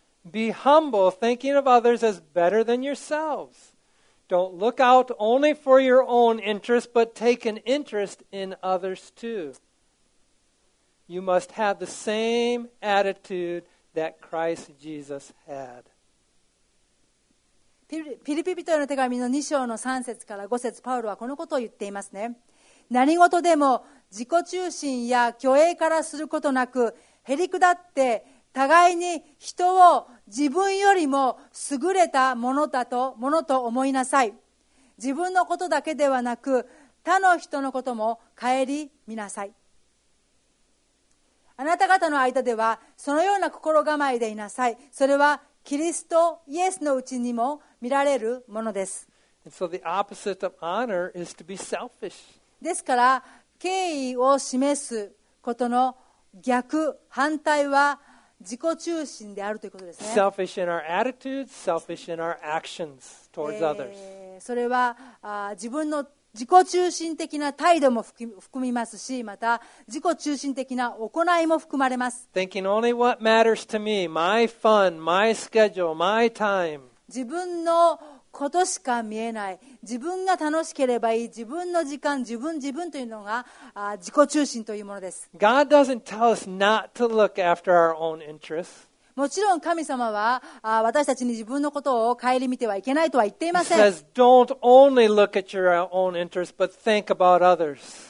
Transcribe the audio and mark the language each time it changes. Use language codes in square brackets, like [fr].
[en] Be humble, thinking of others as better than yourselves. Don't look out only for your own interest, but take an interest in others too. You must have the same attitude that Christ Jesus had. [ja] ピリピ人への手紙の2章の3節から5節、パウロはこのことを言っていますね。何事でも自己中心や虚栄からすることなく、へりくだって互いに人を自分よりも優れたものと思いなさい。自分のことだけではなく、他の人のことも顧みなさい。あなた方の間ではそのような心構えでいなさい。それはキリストイエスのうちにも見られるものです。 [en] So the opposite of honor is to be selfish. [ja] ですから敬意を示すことの逆、反対は自己中心であるということですね。 [en] Selfish in our attitudes, selfish in our actions towards others. [ja] それは自分の自己中心的な態度も含みますし、また自己中心的な行いも含まれます。 [en] Thinking only what matters to me, my fun, my schedule, my time. [ja] 自分のことしか見えない、自分が楽しければいい、自分の時間、自分というのが自己中心というものです。 [en] God doesn't tell us not to look after our own interests. [ja] もちろん神様は私たちに自分のことを顧みてはいけないとは言っていません。 [en] He says, don't only look at your own interests, but think about others.